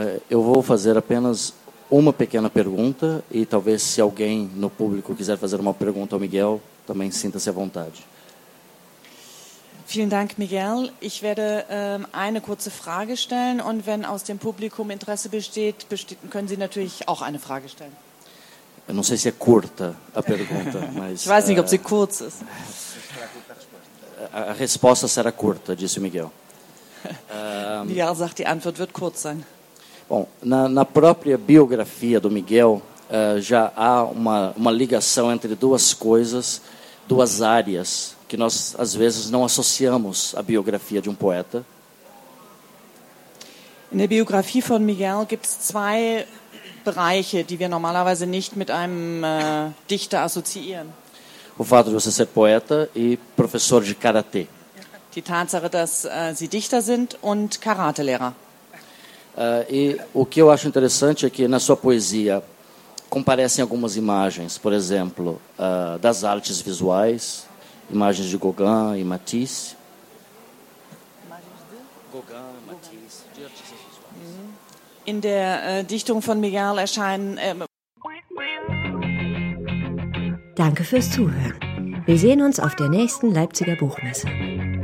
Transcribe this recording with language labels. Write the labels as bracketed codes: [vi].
[pt] Eu vou fazer apenas uma pequena pergunta e talvez se alguém no público quiser fazer uma pergunta ao Miguel, também sinta-se à vontade. [de] Vielen Dank, Miguel. Ich werde eine kurze Frage stellen und wenn aus dem Publikum Interesse besteht, können Sie natürlich auch eine Frage stellen. [pt] Eu não sei se é curta a pergunta, mas... [de] Ich weiß nicht, ob sie kurz ist. [pt] A resposta será curta, disse o Miguel. [de] Miguel sagt, die Antwort wird kurz sein. [pt] Bom, na própria biografia do Miguel, já há uma ligação entre duas coisas, duas áreas, que nós, às vezes, não associamos à biografia de um poeta. [de] In der Biografie von Miguel gibt es zwei Bereiche, die wir normalerweise nicht mit einem Dichter assoziieren. [pt] O fato de você ser poeta e professor de karatê. [de] die Tatsache, dass sie Dichter sind und Karatelehrer. [pt] E o que eu acho interessante é que na sua poesia comparecem algumas imagens, por exemplo, das artes visuais, imagens de Gauguin e Matisse. [de] In der Dichtung von Miguel erscheinen. Danke fürs Zuhören. Wir sehen uns auf der nächsten Leipziger Buchmesse.